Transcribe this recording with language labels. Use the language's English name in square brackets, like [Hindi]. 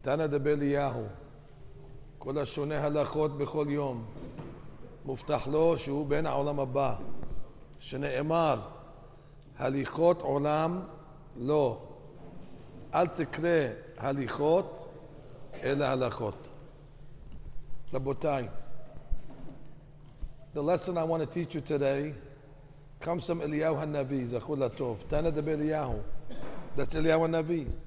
[Hebrew] תנא דבליהו, כל השונה הלכות בכל יום, מובטח לו שהוא בן העולם הבא, שנאמר, הליכות עולם לא. אל תקרא הליכות אלא הלכות. רבותיי, [English] the lesson I want to teach you today comes from [Hebrew] אליהו הנביא, זכור לטוב. תנא דבליהו, [English] that's [Hebrew] אליהו הנביא.